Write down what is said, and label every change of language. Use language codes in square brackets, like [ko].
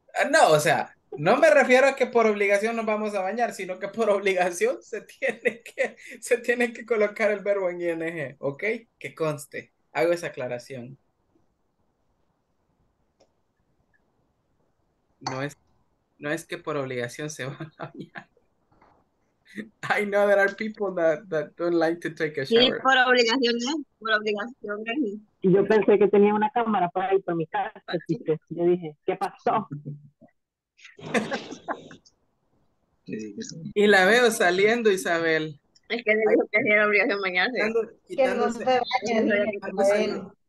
[es] No, o sea, no me refiero a que por obligación nos vamos a bañar, sino que por obligación se tiene que colocar el verbo en ING, ¿ok? Que conste. Hago esa aclaración. No es que por obligación se van a bañar. [en] I know there are people that don't like to take a shower. [es] Sí, por obligación, ¿eh? Por obligación. ¿Eh? Y yo pensé que tenía una cámara para ir por mi casa. Así que yo dije, ¿qué pasó? Y la veo saliendo, Isabel. Es que dijo que tenía obligación mañana.